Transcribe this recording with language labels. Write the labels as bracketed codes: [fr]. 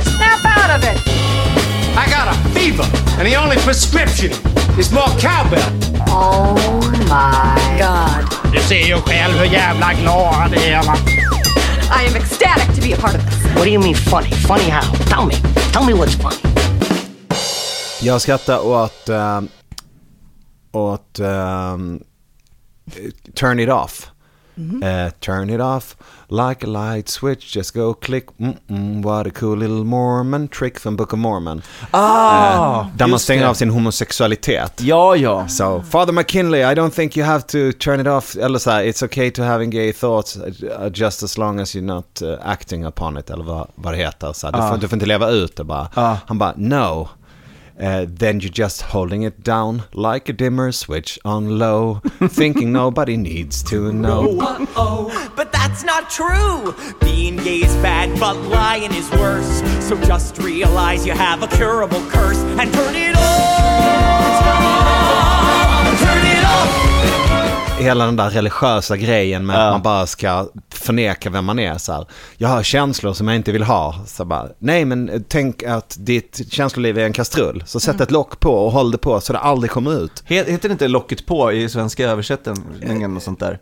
[en] Snap out of it. I got a fever, and the only prescription is more cowbell. Oh my God. You see you [sv] själv hur jävla glad [en] I am. I am ecstatic to be a part of this. What do you mean funny? Funny how? Tell me. Tell me what's funny. [sv] Jag skrattar åt [en] turn it off. Turn it off like a light switch, just go click. What a cool little Mormon trick from Book of Mormon. [sv] Där man stänger av sin homosexualitet. Ja. [en] So, Father McKinley, I don't think you have to turn it off. [sv] Eller så här, [en] it's okay to having gay thoughts just as long as you're not acting upon it. [sv] Eller vad det heter. Så här, du får inte leva ut det bara. Han bara, no. [en] Then you're just holding it down like a dimmer switch on low, thinking nobody needs to know. Uh-oh, but that's not true. Being gay is bad, but lying is worse. So just realize you have a curable curse and turn it off. [sv] Hela den där religiösa grejen med att man bara ska förneka vem man är, så här, jag har känslor som jag inte vill ha, så bara, nej, men tänk att ditt känsloliv är en kastrull, så sätt ett lock på och håll det på så det aldrig kommer ut. Heter det inte locket på i svenska översättningen och sånt där?